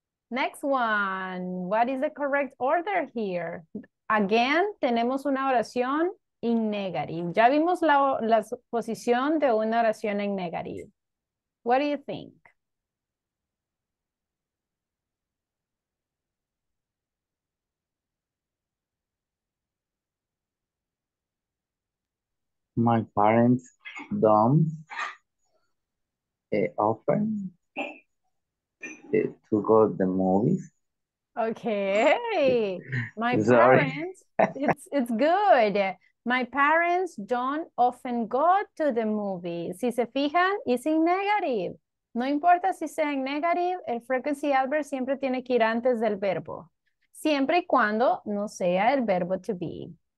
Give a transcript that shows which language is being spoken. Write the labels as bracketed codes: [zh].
[en] Next one, what is the correct order here? [es] Again, tenemos una oración en negative. Ya vimos la posición de una oración en negative. [en] What do you think? My parents don't often to go to the movies. Okay. My parents, it's good. My parents don't often go to the movies. [es] Si se fijan, es [en] in negative. [es] No importa si sea en negative, el frequency adverb siempre tiene que ir antes del verbo. Siempre y cuando no sea el verbo to be.